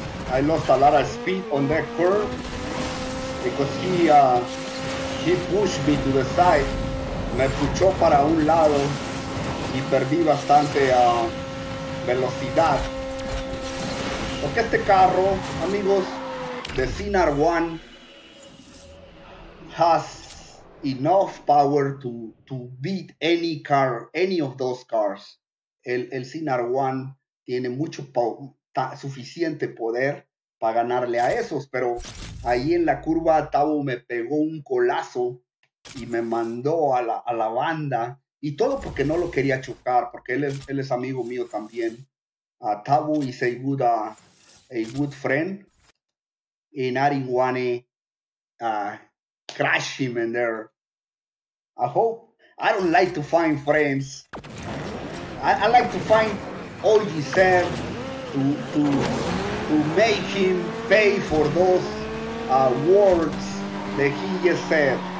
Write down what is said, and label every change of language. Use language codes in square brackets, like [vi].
[en] I lost a lot of speed on that curve because he pushed me to the side. [es] Me puchó para un lado y perdí bastante velocidad. Porque este carro, amigos, [en] the Sinar One has enough power to beat any car, any of those cars. [es] El Sinar One tiene mucho suficiente poder para ganarle a esos, pero ahí en la curva Tavo me pegó un colazo y me mandó a la banda, y todo porque no lo quería chocar, porque él es amigo mío también. [en] Tavo is a good friend, and I didn't want to crash him in there. I don't like to find friends. I like to find OG Seb to make him pay for those words that he just said.